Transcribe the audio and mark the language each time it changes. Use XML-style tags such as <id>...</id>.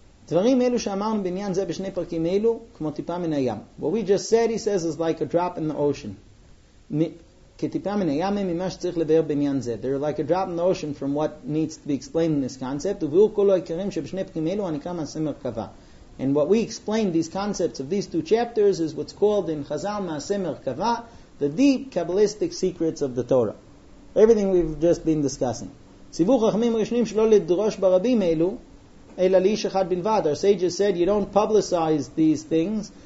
<he>דברים אלו שאמרנו בעניין זה בשני פרקים אלו, כמו טיפה מן הים.</he> <en>What we just said, he says, is like a drop in the ocean.</en> <he>כטיפה מן הים הם ממה שצריך לבאר בעניין זה.</he> <en>They're like a drop in the ocean from what needs to be explained in this concept.</en> <he>וביאור כל העיקרים שבשני פרקים אלו, הנקרא מעשה מרכבה.</he> <en>And what we explained, these concepts of these two chapters, is what's called in Chazal מעשה מרכבה, the deep Kabbalistic secrets of the Torah. Everything we've just been discussing.</en> <he>ציווך חכמים ראשונים שלא לדרוש ברבים אלו,</he> <en>Our sages said, you don't publicize these things.</en>